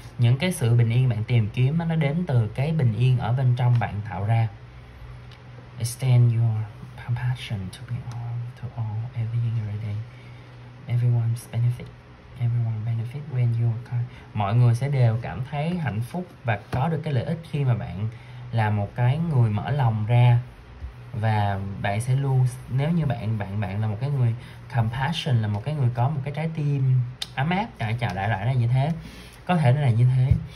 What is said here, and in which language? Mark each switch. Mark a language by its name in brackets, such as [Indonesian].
[Vietnamese] Những cái sự bình yên bạn tìm kiếm nó đến từ cái bình yên ở bên trong bạn tạo ra. [English] Extend your compassion to be all, to all, everything, every day. Everyone's benefit. Everyone benefit when you are kind. [Vietnamese] Mọi người sẽ đều cảm thấy hạnh phúc và có được cái lợi ích khi mà bạn là một cái người mở lòng ra. Và bạn sẽ luôn, nếu như bạn bạn bạn là một cái người compassion, là một cái người có một cái trái tim ấm áp, chào đại loại là như thế, có thể là như thế.